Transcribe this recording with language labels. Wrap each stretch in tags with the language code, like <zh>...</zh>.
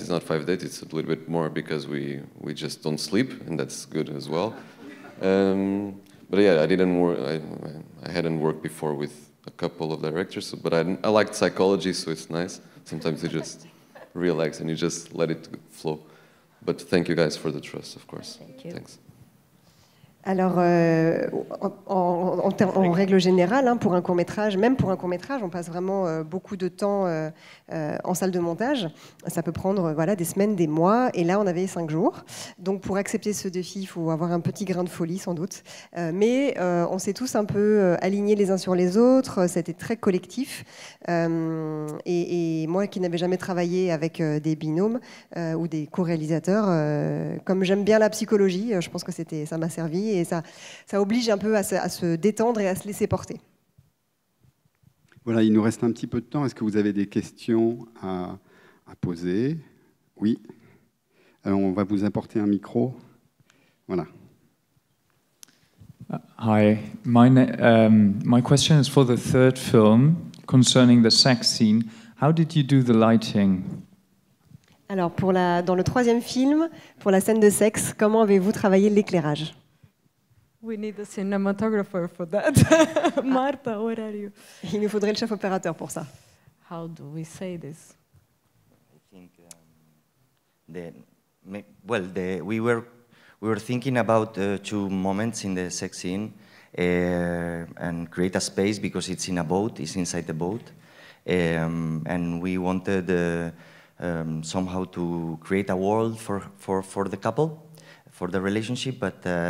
<en>It's not 5 days, it's a little bit more because we just don't sleep, and that's good as well. But yeah, I hadn't worked before with a couple of directors, but I liked psychology, so it's nice. Sometimes you just relax and you just let it flow. But thank you guys for the trust, of course. Thank you. Thanks.</en> <fr>Alors, en règle générale, hein, pour un court-métrage, même pour un court-métrage, on passe vraiment beaucoup de temps en salle de montage. Ça peut prendre voilà, des semaines, des mois, et là, on avait 5 jours. Donc, pour accepter ce défi, il faut avoir un petit grain de folie, sans doute. Mais on s'est tous un peu alignés les uns sur les autres. C'était très collectif. Et moi, qui n'avais jamais travaillé avec des binômes ou des co-réalisateurs, comme j'aime bien la psychologie, je pense que ça m'a servi. Et ça oblige un peu à se détendre et à se laisser porter. Voilà, il nous reste un petit peu de temps. Est-ce que vous avez des questions à poser? Oui. Alors, on va vous apporter un micro. Voilà.</fr> <en>Hi. My question is for the third film concerning the sex scene. How did you do the lighting?</en> <fr>Alors, dans le troisième film, pour la scène de sexe, comment avez-vous travaillé l'éclairage?</fr> <en>We need a cinematographer for that. Marta, where are you?</en> <fr>Il nous faudrait le chef opérateur pour ça.</fr> <en>How do we say this? I think we were thinking about two moments in the sex scene and create a space because it's in a boat, it's inside the boat, and we wanted somehow to create a world for the couple, for the relationship, but.</en>